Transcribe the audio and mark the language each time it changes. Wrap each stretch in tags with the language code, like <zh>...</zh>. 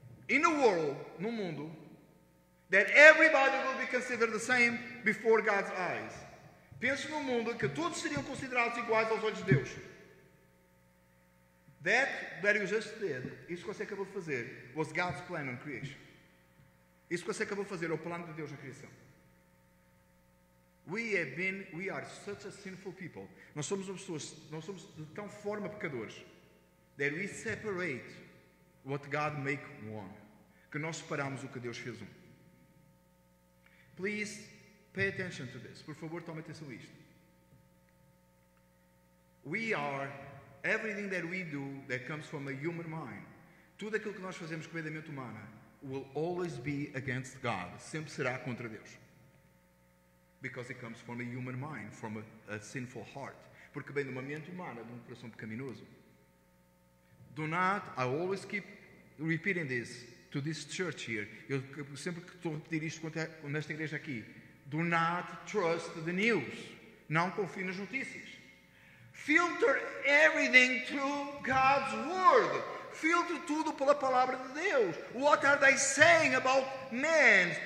<en>In a world,</en> <pt>no mundo,</pt> <en>that everybody will be considered the same before God's eyes.</en> <pt>Pense num mundo que todos seriam considerados iguais aos olhos de Deus.</pt> <en>That you just did,</en> <pt>isso que você acabou de fazer,</pt> <en>was God's plan on creation.</en> <pt>Isso que você acabou de fazer é o plano de Deus na criação.</pt> <en>We are such a sinful people.</en> <pt>Nós somos de tão forma pecadores,</pt> <en>that we separate what God make one.</en> <pt>Que nós separamos o que Deus fez um.</pt> <en>Please pay attention to this.</en> <pt>Por favor, tome atenção a isto.</pt> <en>We are everything that we do that comes from a human mind.</en> <pt>Tudo aquilo que nós fazemos com a mente humana</pt> <en>will always be against God.</en> <pt>Sempre será contra Deus.</pt> <en>Because it comes from a human mind, from a sinful heart.</en> <pt>Porque vem de uma mente humana, de um coração pecaminoso.</pt> <en>Do not, I always keep repeating this to this church here.</en> <pt>Eu sempre que estou a repetir isto nesta igreja aqui.</pt> <en>Do not trust the news.</en> <pt>Não confie nas notícias.</pt> <en>Filter everything through God's word.</en> <pt>Filtre tudo pela palavra de Deus.</pt> <en>What are they saying about man?</en>